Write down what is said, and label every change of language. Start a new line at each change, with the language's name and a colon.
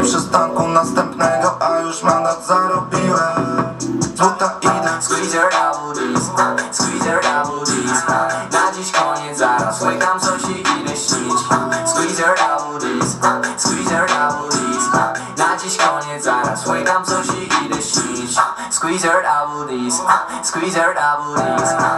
Polish: Przystanku następnego, a już mandat zarobiłem. Złota idę.
English: Squeeze her double D's, squeeze her double D's.
Polish: Na dziś koniec, zaraz łykam coś i idę śnić.
English: Squeeze her double D's, squeeze her double D's.
Polish: Na dziś koniec, zaraz łykam coś i idę śnić.
English: Squeeze her double D's, squeeze her double D's.